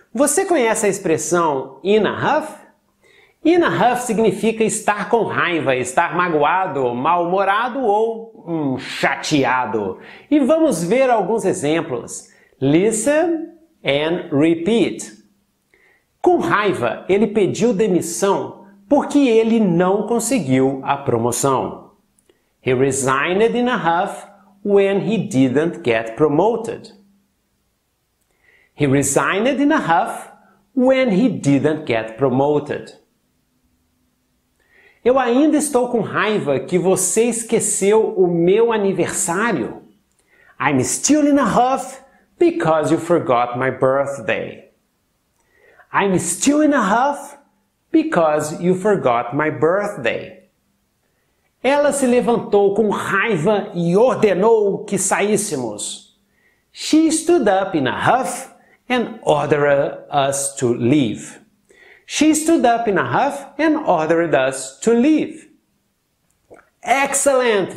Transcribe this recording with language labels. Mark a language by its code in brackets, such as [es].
[pt] Você conhece a expressão in a huff? In a huff significa estar com raiva, estar magoado, mal-humorado ou chateado. E vamos ver alguns exemplos. [en] Listen and repeat. [pt] Com raiva, ele pediu demissão porque ele não conseguiu a promoção. [en] He resigned in a huff when he didn't get promoted. He resigned in a huff when he didn't get promoted. [pt] Eu ainda estou com raiva que você esqueceu o meu aniversário. [en] I'm still in a huff because you forgot my birthday. I'm still in a huff because you forgot my birthday. [pt] Ela se levantou com raiva e ordenou que saíssemos. [en] She stood up in a huff and ordered us to leave. She stood up in a huff and ordered us to leave. Excellent!